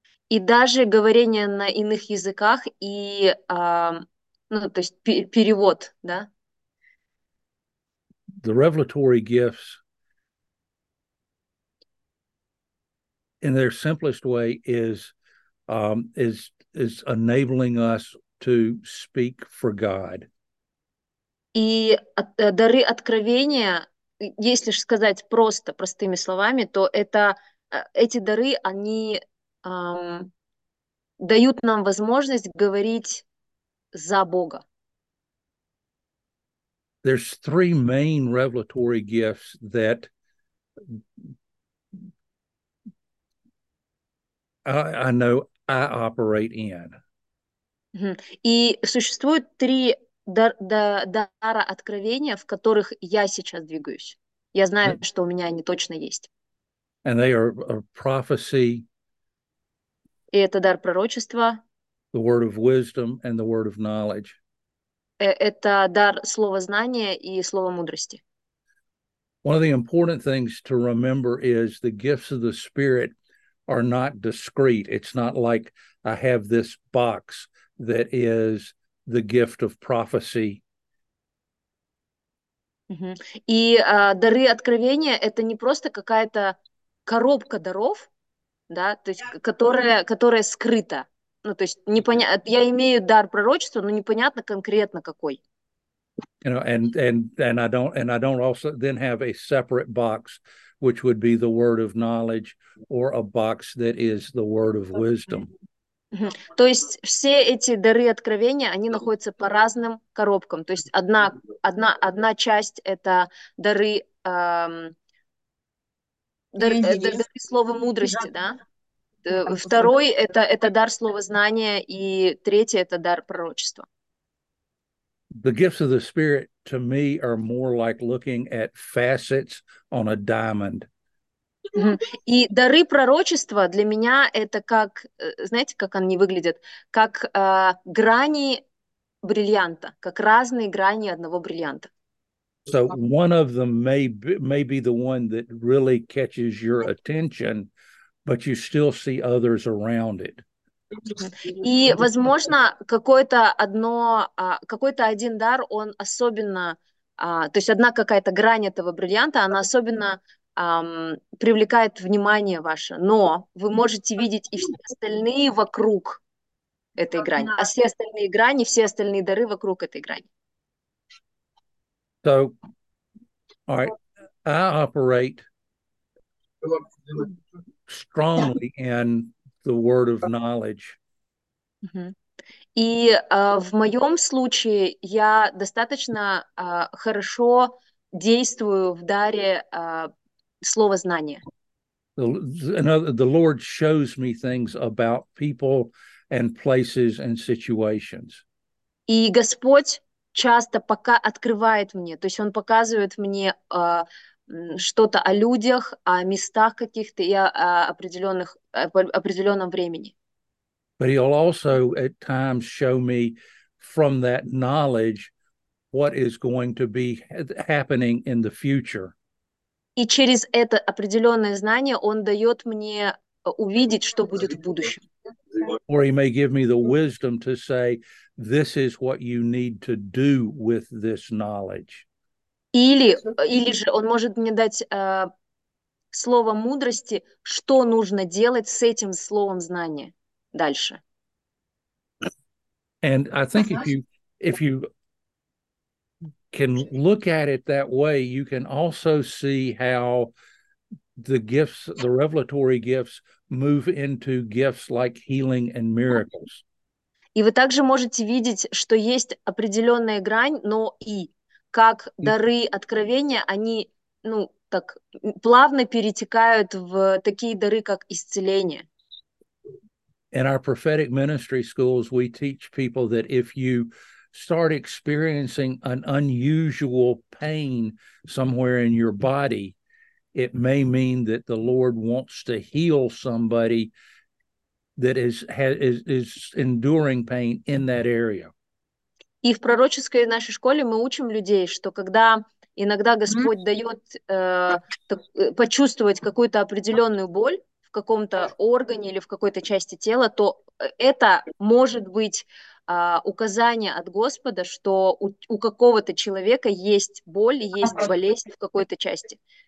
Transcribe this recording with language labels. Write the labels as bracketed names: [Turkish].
[Russian] И даже говорение на иных языках и, то есть перевод, да? [English] The revelatory gifts, in their simplest way, is enabling us to speak for God. [Russian] И дары откровения. Если же сказать просто, простыми словами, то это эти дары, они дают нам возможность говорить за Бога. [English] There's three main revelatory gifts that I know I operate in. [Russian] И существует три дара откровения, в которых я сейчас двигаюсь. Я знаю, что у меня они точно есть. [English] And they are a prophecy, [Russian] и это дар пророчества. [English] The word of wisdom and the word of knowledge. [Russian] Это дар слова знания и слова мудрости. [English] One of the important things to remember is the gifts of the Spirit are not discrete. It's not like I have this box that is the gift of prophecy. [Russian] И дары откровения — это не просто какая-то коробка даров, да, то есть, которая скрыта. То есть я имею дар пророчества, но непонятно конкретно какой. [English] You know, and I don't also then have a separate box, which would be the word of knowledge, or a box that is the word of wisdom. [Russian] То есть все эти дары откровения, они находятся по разным коробкам. То есть одна часть — это дары слова мудрости, да? Второй — это дар слова знания, и третий — это дар пророчества. [English] The gifts of the Spirit, to me, are more like looking at facets on a diamond. [Russian] И дары пророчества для меня это как, знаете, как они выглядят? Как грани бриллианта, как разные грани одного бриллианта. [English] So one of them may be the one that really catches your attention, but you still see others around it. [Russian] И, возможно, какой-то один дар, он особенно, то есть одна какая-то грань этого бриллианта, она особенно привлекает внимание ваше, но вы можете видеть и все остальные вокруг этой грани, а все остальные грани, все остальные дары вокруг этой грани. [English] So, all right, I operate strongly in the word of knowledge. [Russian] И в моем случае я достаточно хорошо действую в даре слово знания. [English] The Lord shows me things about people and places and situations. [Russian] И Господь часто пока открывает мне, то есть Он показывает мне что-то о людях, о местах каких-то и о определенном времени. [English] But he'll also at times show me from that knowledge what is going to be happening in the future. [Russian] И через это определенное знание он дает мне увидеть, что будет в будущем. [English] Or he may give me the wisdom to say, this is what you need to do with this knowledge. [Russian] Или же он может мне дать слово мудрости, что нужно делать с этим словом знания дальше. [English] And I think if you can look at it that way, you can also see how the gifts, the revelatory gifts, move into gifts like healing and miracles. [Russian] И вы также можете видеть, что есть определенная грань, но и как дары откровения, они, ну, так плавно перетекают в такие дары, как исцеление. [English] In our prophetic ministry schools, we teach people that if you start experiencing an unusual pain somewhere in your body, it may mean that the Lord wants to heal somebody that is enduring pain in that area. [Russian] И в пророческой нашей школе мы учим людей, что когда иногда Господь дает почувствовать какую-то определенную боль в каком-то органе или в какой-то части тела, то это может быть указание от Господа, что у какого-то человека есть боль, есть болезнь в какой-то части.